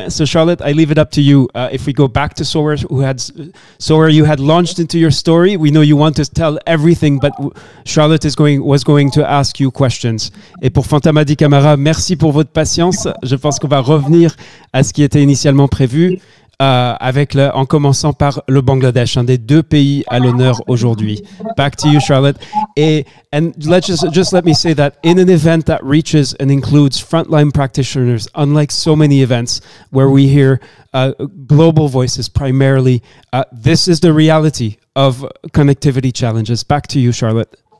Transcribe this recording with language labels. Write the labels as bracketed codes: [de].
[en] So Charlotte, I leave it up to you. If we go back to Sorwer, Sorwer, you had launched into your story. We know you want to tell everything, but Charlotte was going to ask you questions. [fr] Et pour Fantamadi Kamara, merci pour votre patience. Je pense qu'on va revenir à ce qui était initialement prévu en commençant par le Bangladesh, un des deux pays à l'honneur aujourd'hui. [en] Back to you, Charlotte. And let's just let me say that in an event that reaches and includes frontline practitioners, unlike so many events where we hear global voices primarily, this is the reality of connectivity challenges. Back to you, Charlotte.